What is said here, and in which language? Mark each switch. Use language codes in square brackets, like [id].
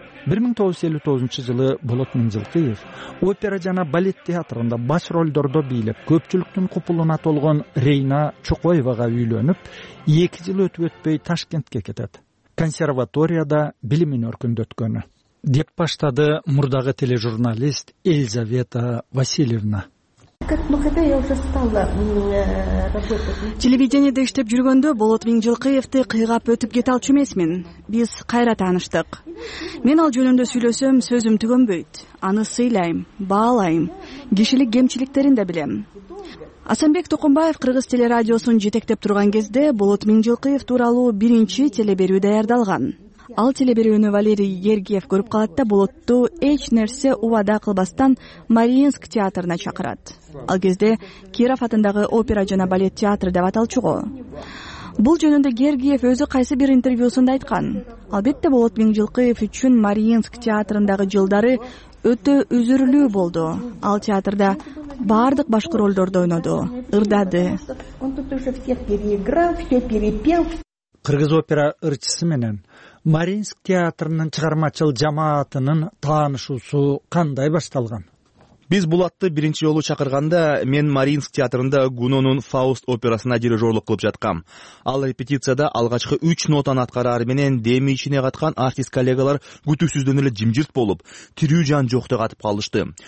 [ky] 1959 жылы Болот Миңжылкыев опера жана балет театрында баш ролдордо бийлеп, көпчүлүктүн купулуна толгон Рейна Чокоевага үйлөнүп, 2 жыл өтүп өтпөй Ташкентке кетет. Консерваторияда билимин өркүндөткөнү деп баштады мурдагы тележурналист Елизавета Васильевна. [ru] Как ну хотя я уже стала работать. [ky] Телевидениеде иштеп жүргөндө Болот Миңжылкыевди кыйгап өтүп кете алчу эмесмин. Биз кайра тааныштык. Мен ал жөнүндө сүйлөсөм сөзүм түгөнбөйт. Аны сыйлайм, баалайм. Кишилик кемчиликтерин да билем. Асанбек Токумбаев Кыргыз телерадиосун жетектеп турган кезде Болот Миңжылкыев тууралуу биринчи телеберүү даярдалган. Ал телеберүүнү Валерий Гергиев көрүп калат да Болотту эч нерсе убада кылбастан Мариинск театрына чакырат. Ал кезде Киров атындагы опера жана балет театры деп аталчуго. Бул жөнүндө Гергиев өзү кайсы бир интервьюсунда айткан. Албетте Болот Миңжылкыев үчүн Мариинск театрындагы жылдары өтө үзүрлүү болду. Ал театрда баардык башкы ролдорду ойноду, ырдады. [ru] Он тут уже всех переиграл, все перепел. [ky] Кыргыз опера ырчысы менен Мариинск театрынын чыгармачыл жамаатынын таанышуусу кандай башталган? Биз Булатты биринчи жолу чакырганда мен Мариинск театрында Гунонун Фауст операсына дирижерлук кылып жаткам. Ал репетицияда алгачкы 3 нотаны аткарар менен деми ичине каткан артист коллегалар күтүүсүздөн эле жимжирт болуп, тирүү жан жоктой катып калышты.